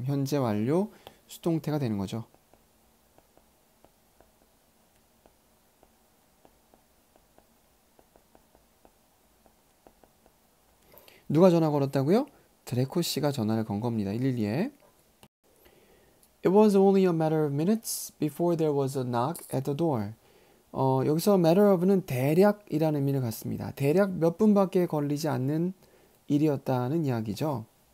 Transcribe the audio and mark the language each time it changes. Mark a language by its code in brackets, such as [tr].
[ko] 현재 완료 수동태가 되는 거죠. 누가 전화 걸었다고요? 드레코 씨가 전화를 건 겁니다. 112에. [en] It was only a matter of minutes before there was a knock at the door. [ko] 여기서 matter of는 대략이라는 의미를 갖습니다. 대략 몇 분밖에 걸리지 않는 일이었다는 이야기죠.